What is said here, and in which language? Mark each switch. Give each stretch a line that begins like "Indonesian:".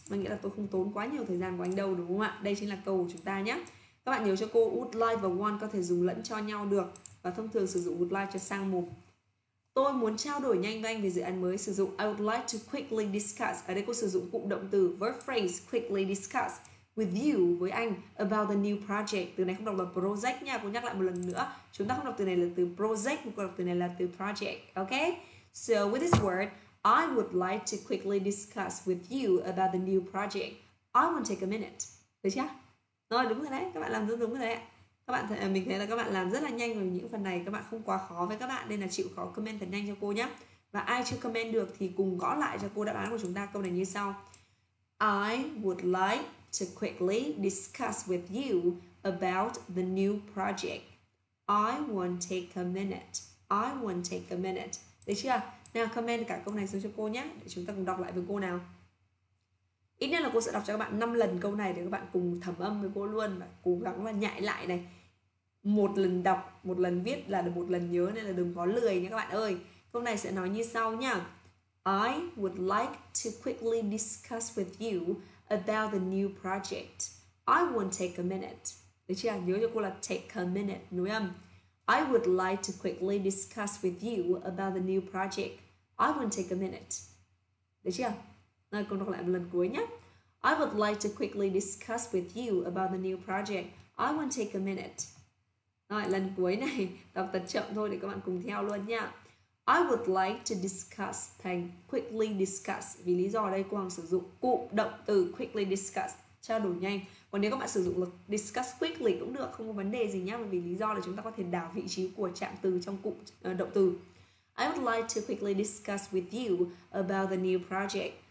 Vietnamese: Mà nghĩa là tôi không tốn quá nhiều thời gian của anh đâu đúng không ạ? Đây chính là câu của chúng ta nhé. Các bạn nhớ cho cô would like và want có thể dùng lẫn cho nhau được. Và thông thường sử dụng would like cho sang mục. Tôi muốn trao đổi nhanh với anh về dự án mới. Sử dụng
English: I would like to quickly discuss.
Vietnamese: Ở đây cô sử dụng cụm động từ
English: verb phrase quickly discuss with you,
Vietnamese: với anh,
English: about the new project.
Vietnamese: Từ này không đọc là project nha. Cô nhắc lại một lần nữa. Chúng ta không đọc từ này là từ project, cô đọc từ này là từ project.
English: Okay? So with this word, I would like to quickly discuss with you about the new project. I won't take a minute.
Vietnamese: Được chưa? Rồi, đúng rồi đấy. Các bạn làm rất đúng rồi đấy. Các bạn mình thấy là các bạn làm rất là nhanh rồi. Những phần này các bạn không quá khó với các bạn, nên là chịu khó comment thật nhanh cho cô nhé. Và ai chưa comment được thì cùng gõ lại cho cô đáp án của chúng ta câu này như sau.
English: I would like to quickly discuss with you about the new project. I won't take a minute. I won't take a minute.
Vietnamese: Được chưa? Nào comment cả câu này xuống cho cô nhé. Để chúng ta cùng đọc lại với cô nào. Ít nhất là cô sẽ đọc cho các bạn 5 lần câu này để các bạn cùng thẩm âm với cô luôn và cố gắng và nhại lại này. Một lần đọc, một lần viết là được một lần nhớ, nên là đừng có lười nha các bạn ơi. Câu này sẽ nói như sau nha.
English: I would like to quickly discuss with you about the new project. I won't take a minute.
Vietnamese: Được chưa? Nhớ cho cô là
English: take a minute,
Vietnamese: nối âm.
English: I would like to quickly discuss with you about the new project. I won't take a minute.
Vietnamese: Được chưa? Nói cô đọc lại một lần cuối nhé.
English: I would like to quickly discuss with you about the new project. I won't take a minute.
Vietnamese: Rồi, lần cuối này, đọc thật chậm thôi để các bạn cùng theo luôn nha.
English: I would like to discuss
Vietnamese: thành
English: quickly discuss.
Vietnamese: Vì lý do ở đây cô Hằng sử dụng cụm động từ
English: quickly discuss,
Vietnamese: trao đổi nhanh. Còn nếu các bạn sử dụng lực
English: discuss quickly
Vietnamese: cũng được, không có vấn đề gì nhé. Vì lý do là chúng ta có thể đảo vị trí của trạng từ trong cụm động từ.
English: I would like to quickly discuss with you about the new project.